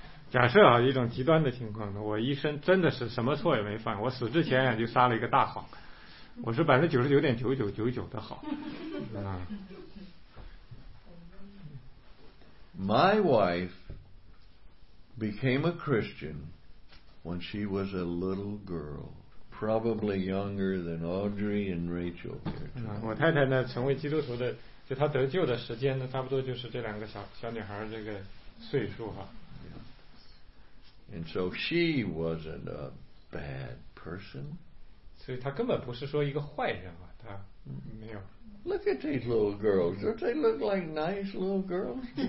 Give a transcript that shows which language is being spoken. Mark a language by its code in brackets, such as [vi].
[zh] 假设啊，一种极端的情况，我一生真的是什么错也没犯，我死之前也就撒了一个大谎，我是99.9999%的好。 [en] My wife became a Christian when she was a little girl, probably younger than Audrey and Rachel. [zh] 我太太呢，成为基督徒的，就她得救的时间呢，差不多就是这两个小女孩这个岁数哈。 [en] And so she wasn't a bad person. [zh] 所以她根本不是说一个坏人嘛，她没有。 [en] Look at these little girls. Don't they look like nice little girls?